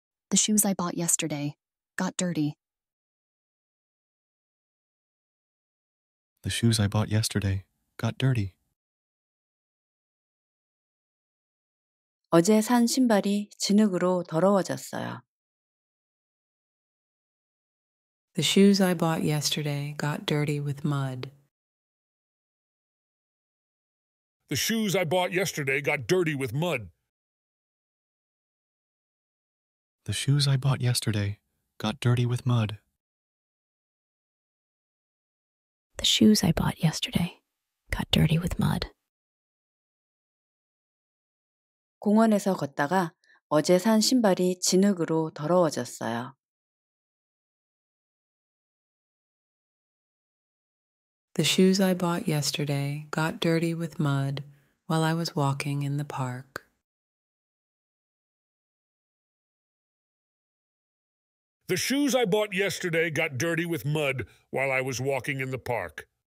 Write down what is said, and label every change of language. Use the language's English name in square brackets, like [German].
[English] The shoes I bought yesterday got dirty. The shoes I bought yesterday got dirty. [Korean] 어제 산 신발이 진흙으로 더러워졌어요. [English] The shoes I bought yesterday got dirty with mud. The shoes I bought yesterday got dirty with mud. The shoes I bought yesterday got dirty with mud. The shoes I bought yesterday got dirty with mud. [Korean] 공원에서 걷다가 어제 산 신발이 진흙으로 더러워졌어요. [English] The shoes I bought yesterday got dirty with mud while I was walking in the park. The shoes I bought yesterday got dirty with mud while I was walking in the park.